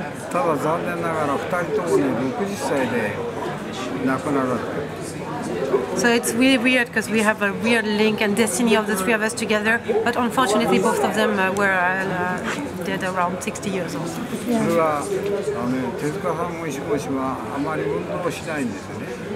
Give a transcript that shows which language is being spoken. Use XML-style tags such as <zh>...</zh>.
<ja>ただ残念ながら2人とも、ね、60歳で亡くなられた。</ja> <en>So it's really weird because we have a weird link and destiny of the three of us together, but unfortunately both of them were dead around 60 years old.</en> <ja>それは手塚さんも石森はあまり運動しないんですよね。</ja>